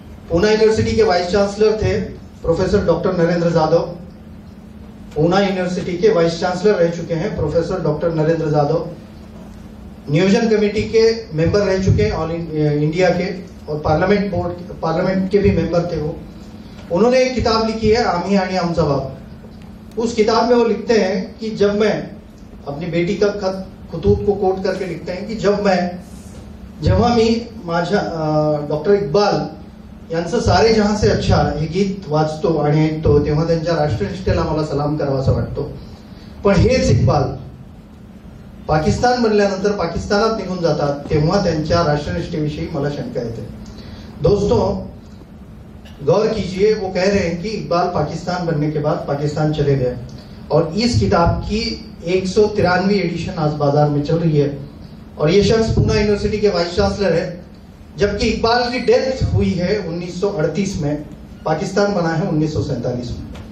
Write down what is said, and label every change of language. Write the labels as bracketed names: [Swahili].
[Hindi] Poona university के vice chancellor थे professor doctor Narendra Jadhav. Poona university के वाइस चांसलर रह चुके हैं प्रोफेसर डॉक्टर नरेंद्र जाधव. नियोजन कमेटी के मेंबर रह चुके हैं ऑल इंडिया के, और पार्लियामेंट बोर्ड, पार्लियामेंट के भी मेंबर थे वो. उन्होंने एक किताब लिखी है, आमी आणि आमचा बाप. उस किताब में वो लिखते हैं कि [Marathi] जब मैं अपनी बेटी का खत खतूत को कोट करके लिखते हैं कि जब मी माझा डॉक्टर इकबाल यांचं सारे जहां से अच्छा हे गीत वाचतो आणि ऐकतो तेव्हा त्यांच्या राष्ट्रनिष्ठेला मला सलाम करावासा वाटतो. पण हेच इकबाल पाकिस्तान बनल्यानंतर पाकिस्तानात निघून जातात तेव्हा त्यांच्या राष्ट्रनिष्ठेविषयी मला शंका येते. [Hindi] दोस्तो, गौर कीजिए, वो कह रहे हैं कि इकबाल पाकिस्तान बनने के बाद पाकिस्तान चले गए. और इस किताब की 193 एडिशन आज बाजार में चल रही है. और ये शख्स पूना यूनिवर्सिटी के वाइस चांसलर है, जबकि इकबाल की डेथ हुई है 1938 में, पाकिस्तान बना है 1947 में.